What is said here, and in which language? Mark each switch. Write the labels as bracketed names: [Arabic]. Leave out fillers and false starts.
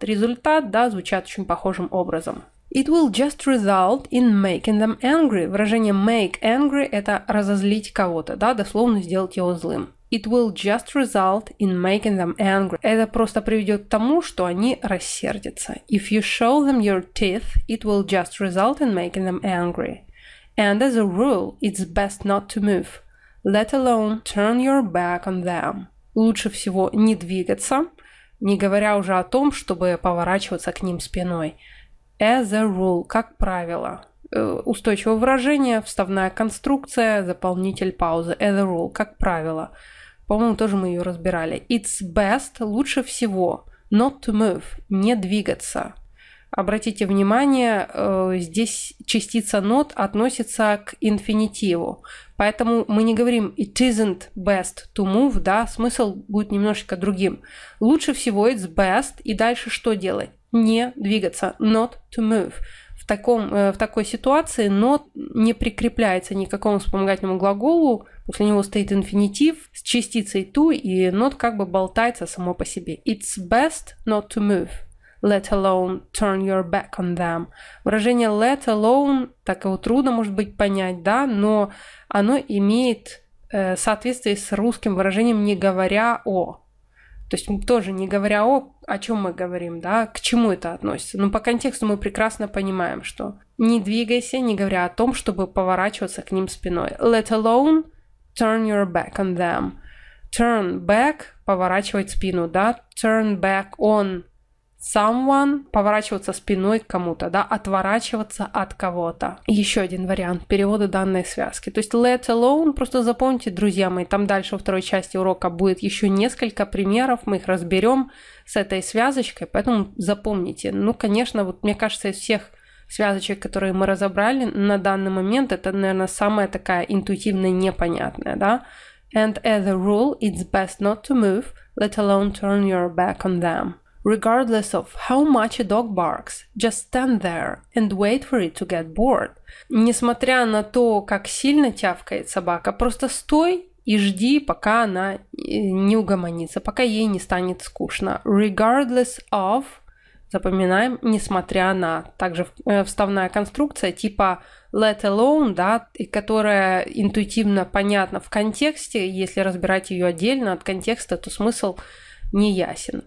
[Russian] Результат, да, звучат очень похожим образом. [English] It will just result in making them angry. [Russian] Выражение make angry – это разозлить кого-то, да, дословно сделать его злым. [English] It will just result in making them angry. [Russian] Это просто приведет к тому, что они рассердятся. [English] If you show them your teeth, it will just result in making them angry. And as a rule, it's best not to move, let alone turn your back on them. [Russian] Лучше всего не двигаться, не говоря уже о том, чтобы поворачиваться к ним спиной. [English] As a rule, [Russian] как правило. Устойчивое выражение, вставная конструкция, заполнитель паузы. [English] As a rule, [Russian] как правило. По-моему, тоже мы ее разбирали. [English] It's best, [Russian] лучше всего, [English] not to move, [Russian] не двигаться. Обратите внимание, здесь частица not относится к инфинитиву. Поэтому мы не говорим [English] it isn't best to move, [Russian] да, смысл будет немножечко другим. Лучше всего [English] it's best, [Russian] и дальше что делать? Не двигаться, [English] not to move. [Russian] В такой ситуации not не прикрепляется ни к какому вспомогательному глаголу, после него стоит инфинитив с частицей to, и not как бы болтается само по себе. [English] It's best not to move, let alone turn your back on them. [Russian] Выражение let alone, так его трудно, может быть, понять, да, но оно имеет соответствие с русским выражением «не говоря о». То есть тоже не говоря о чем мы говорим, да, к чему это относится. Но по контексту мы прекрасно понимаем, что не двигайся, не говоря о том, чтобы поворачиваться к ним спиной. [English] Let alone turn your back on them. Turn back – [Russian] поворачивать спину, да. [English] Turn back on someone [Russian] – поворачиваться спиной к кому-то, да, отворачиваться от кого-то. Еще один вариант перевода данной связки. То есть let alone, просто запомните, друзья мои, там дальше во второй части урока будет еще несколько примеров, мы их разберем с этой связочкой, поэтому запомните. Ну, конечно, вот мне кажется, из всех связочек, которые мы разобрали на данный момент, это, наверное, самая такая интуитивно непонятная, да? [English] And as a rule, it's best not to move, let alone turn your back on them. Regardless of how much a dog barks, just stand there and wait for it to get bored. [Russian] Несмотря на то, как сильно тявкает собака, просто стой и жди, пока она не угомонится, пока ей не станет скучно. Regardless of, запоминаем, несмотря на, также вставная конструкция типа let alone, да, которая интуитивно понятна в контексте, если разбирать ее отдельно от контекста, то смысл не ясен.